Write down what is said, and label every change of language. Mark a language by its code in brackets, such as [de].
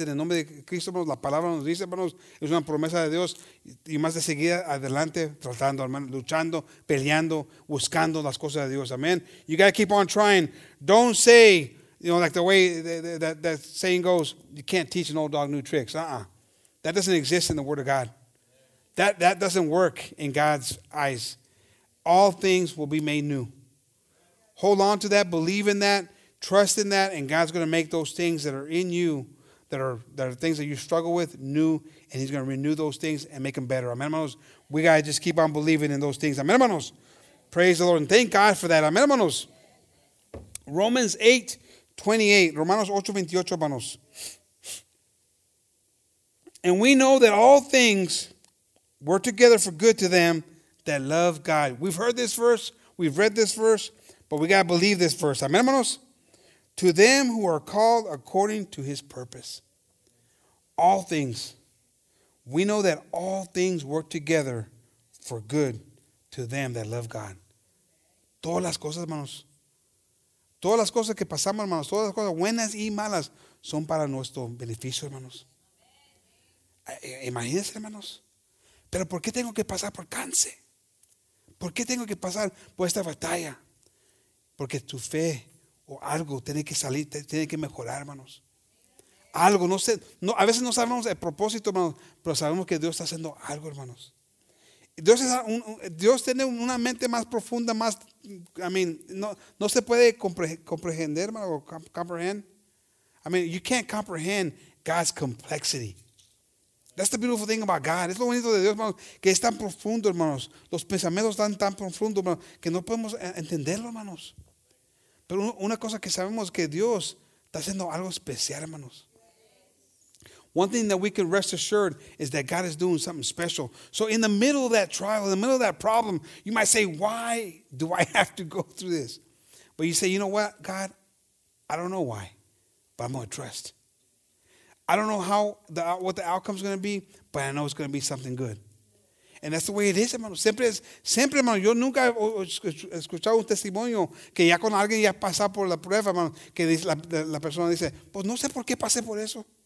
[es] En el nombre de Cristo, hermanos, la palabra nos dice, hermanos, es una promesa de Dios. Y más de seguir adelante, tratando, hermanos, luchando, peleando, buscando las cosas de Dios. [en] Amen. You got to keep on trying. Don't say, you know, like the way that saying goes, you can't teach an old dog new tricks. Uh-uh. That doesn't exist in the Word of God. That doesn't work in God's eyes. All things will be made new. Hold on to that. Believe in that. Trust in that, and God's going to make those things that are in you, that are things that you struggle with, new, and he's going to renew those things and make them better. Amen, hermanos? We got to just keep on believing in those things. Amen, hermanos? Praise the Lord, and thank God for that. Amen, hermanos? Romans 8:28, Romanos 8:28, hermanos. And we know that all things work together for good to them that love God. We've heard this verse. We've read this verse. But we got to believe this verse. Amen, hermanos? To them who are called according to his purpose. All things. We know that all things work together for good to them that love God. [es] Todas las cosas, hermanos. Todas las cosas que pasamos, hermanos. Todas las cosas buenas y malas son para nuestro beneficio, hermanos. Imagínense, hermanos. Pero ¿por qué tengo que pasar por cáncer? ¿Por qué tengo que pasar por esta batalla? Porque tu fe o algo tiene que salir, tiene que mejorar, hermanos. Algo, no sé, no, a veces no sabemos el propósito, hermanos, pero sabemos que Dios está haciendo algo, hermanos. Dios tiene una mente más profunda, más, no se puede comprender, hermano, comprehend. [en] You can't comprehend God's complexity. That's the beautiful thing about God. [es] Es lo bonito de Dios, hermanos, que es tan profundo, hermanos. Los pensamientos están tan profundos, hermanos, que no podemos entenderlo, hermanos. Pero una cosa que sabemos es que Dios está haciendo algo especial, hermanos. [en] One thing that we can rest assured is that God is doing something special. So in the middle of that trial, in the middle of that problem, you might say, why do I have to go through this? But you say, you know what, God, I don't know why, but I'm going to trust. I don't know how what the outcome is going to be, but I know it's going to be something good. And that's the way it is, hermano. [es] Siempre, hermano. Yo nunca he escuchado un testimonio que ya con alguien ya pasa por la prueba, hermano. Que dice, la persona dice, pues no sé por qué pasé por eso.